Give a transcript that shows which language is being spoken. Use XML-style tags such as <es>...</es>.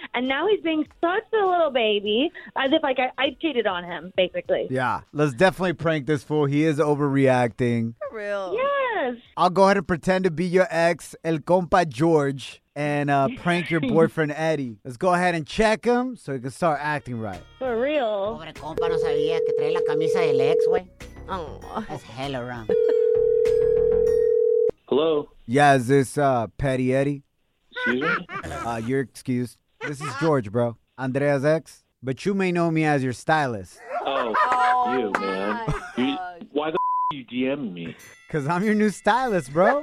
<en>And now he's being such a little baby, as if like I cheated on him, basically. Yeah. Let's definitely prank this fool. He is overreacting. For real. Yes. I'll go ahead and pretend to be your ex, El Compa George, and prank your boyfriend, Eddie. Let's go ahead and check him so he can start acting right. For real?</en> <es>Pobre compa, no sabía que trae la camisa del ex, güey.</es> <en>That's hella wrong. Hello? Yeah, is this Petty Eddie? Excuse me? You're excused. This is George, bro. Andrea's ex. But you may know me as your stylist. Oh, you, man. Why the f*** are you DMing me? Because I'm your new stylist, bro.</en>